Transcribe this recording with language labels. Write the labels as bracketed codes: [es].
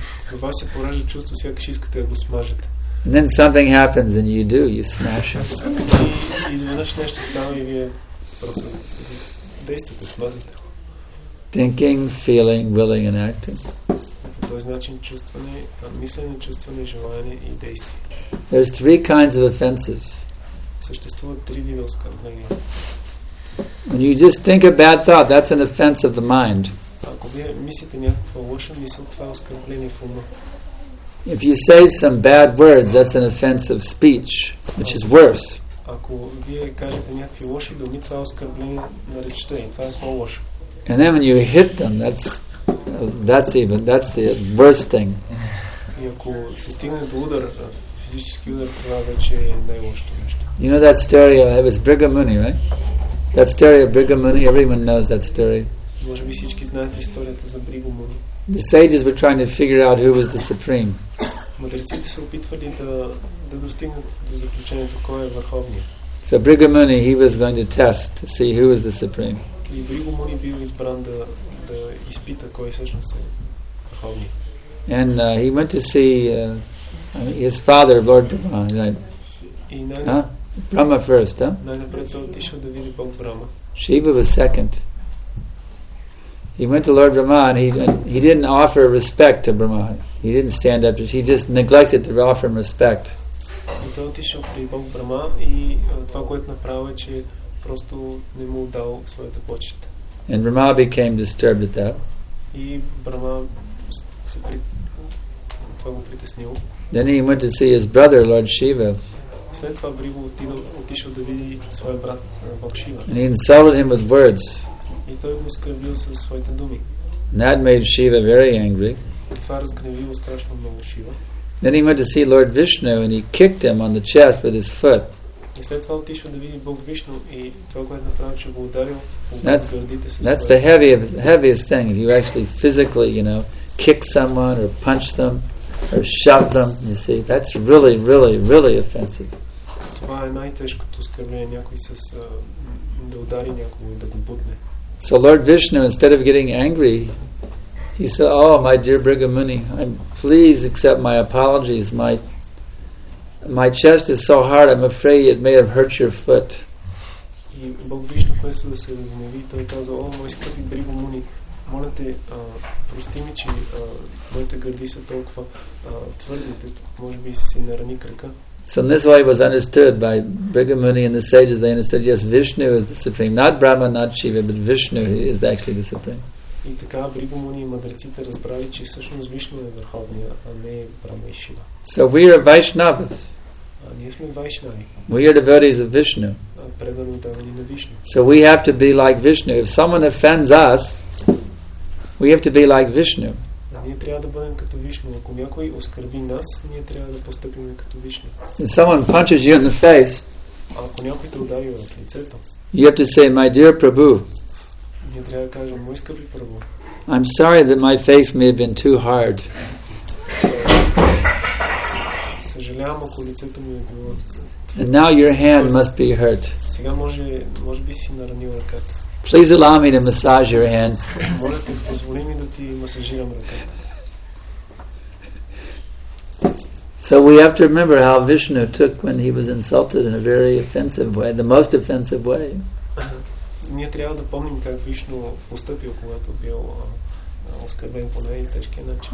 [bg] Във вас се поражда чувство, сякаш искате да го смажете. [en] And then something happens and you do, you smash him. [bg] Изведнъж нещо става и вие просто действате, смазвате. [en] Thinking, feeling, willing and acting. [bg] По този начин чувстване, мислене, чувстване, желание и действие. [en] There's three kinds of offenses. [bg] Съществуват три вида оскърбления. [en] When you just think a bad thought, that's an offense of the mind. [bg] Ако вие мислите някаква лоша мисъл, това е оскърбление в ума. [en] If you say some bad words, that's an offense of speech, which is worse. [bg] Ако вие кажете някакви лоши думи, това е оскърбление на речта и това е по-лошо. [en] And then when you hit them, that's the worst thing. [bg] И ако се стигне до удар, физически удар, това вече е най-лошото нещо. [en] You know that story, it was Brigham Money, right? That story of Brigham Money, everyone knows that story. [bg] Може би всички знаете историята за Brigham Money. [en] The sages were trying to figure out who was the supreme. [bg] Мъдреците се опитвали да достигнат до заключението кой е върховният. [en] So Brigham Money, he was going to test to see who was the supreme. [bg] И Brigham Money бил избран да изпита кой всъщност е върховният. [en] And he went to see his father, Lord Brahma. Brahma first, huh? [bg] Най-напред той отишъл да види Бог Брама. [en] Shiva was second. He went to Lord Brahma and he didn't offer respect to Brahma. He didn't stand up. He just neglected to offer him respect. [bg] И той отишъл при Бог Брама и това, което направи, е, че просто не му дал своята почет. [en] And Brahma became disturbed at that. [bg] И Брама се това го притеснило. [en] Then he went to see his brother, Lord Shiva. [bg] След това Brigham отишъл да види своя брат Бог Шива. [en] And he insulted him with words. [bg] И той го оскърбил със своите думи. [en] That made Shiva very angry. [bg] Това разгневило страшно много Шива. [en] Then he went to see Lord Vishnu and he kicked him on the chest with his foot. [bg] И след това отишъл да види Бог Вишну и това, което направил, че го ударил по гърдите със своя. [en] That's the heaviest thing if you actually physically, you know, kick someone or punch them or shove them, you see. That's really, really, really offensive. [bg] Това е най-тежкото оскърбление някой с да удари някого и да го бутне. [en] So Lord Vishnu, instead of getting angry, he said, oh, my dear Brigham Muni, please accept my apologies. My chest is so hard, I'm afraid it may have hurt your foot. [bg] И Бог Вишну, вместо да се разгневи, той каза, о, мой скъпи Brigham Muni, моля те, прости ми, че моите гърди са толкова твърди, може би си нарани крака. [en] So in this way it was understood by Brigham Muni and the sages, they understood, yes, Vishnu is the supreme. Not Brahma, not Shiva, but Vishnu is actually the supreme. [bg] И така Brigham Muni и мъдреците разбрали, че всъщност Вишну е върховния, а не Брама и Шива. [en] So we are Vaishnavas. [bg] Ние сме Вайшнави. [en] We are devotees of Vishnu. [bg] Предано дадени на Вишну. [en] So we have to be like Vishnu. If someone offends us, we have to be like Vishnu. [bg] Ние трябва да бъдем като Вишну. Ако някой оскърби нас, ние трябва да постъпим като Вишну. [en] If someone punches you in the face, [bg] ако някой те удари в лицето, [en] you have to say, my dear Prabhu, [bg] ние трябва да кажем, мой скъпи Прабу, [en] I'm sorry that my face may have been too hard. [bg] Съжалявам, ако лицето ми е било. [en] And now your hand must be hurt. [bg] Сега може би си наранил ръката. [en] Please allow me to massage your hand. [bg] Може ти позволи ми да ти масажирам ръката. [en] So we have to remember how Vishnu took when he was insulted in a very offensive way, the most offensive way. [bg] ние трябва да помним как Вишну постъпил, когато бил оскърбен по най-тежкия начин.